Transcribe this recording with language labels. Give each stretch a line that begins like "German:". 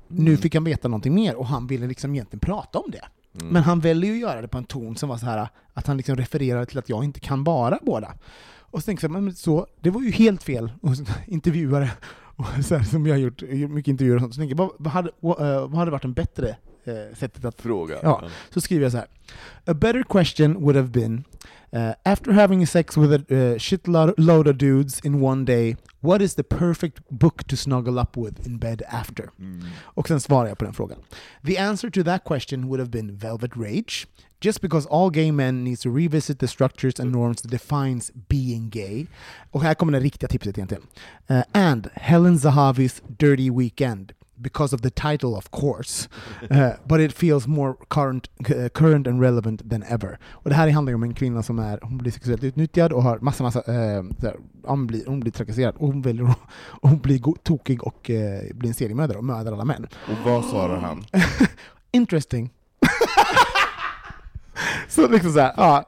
Swedish: Nu fick han veta någonting mer och han ville liksom egentligen prata om det. Men han väljer ju att göra det på en ton som var så här att han liksom refererade till att jag inte kan vara båda. Och så tänkte jag, men så, det var ju helt fel intervjuare och så här, som jag har gjort mycket intervjuer och sånt. Så tänkte jag, vad hade varit en bättre sättet att fråga. Ja, så skriver jag så här.
English: A better question would have been, after having sex with a shitload of dudes in one day, what is the perfect book to snuggle up with in bed after?
Swedish: Mm. Och sen svarar jag på den frågan.
English: The answer to that question would have been Velvet Rage, just because all gay men needs to revisit the structures and norms that defines being gay.
Swedish: Och här kommer det riktiga tipset egentligen.
English: And Helen Zahavi's Dirty Weekend, because of the title, of course. But it feels more current and relevant than ever.
Swedish: Och det här handlar om en kvinna som är, hon blir sexuellt utnyttjad och har massa hon blir trakasserad och hon väljer att bli tokig och bli en seriemördare och mördar alla män. Och vad svarar han?
English: Interesting.
Swedish: Så liksom så här, ja.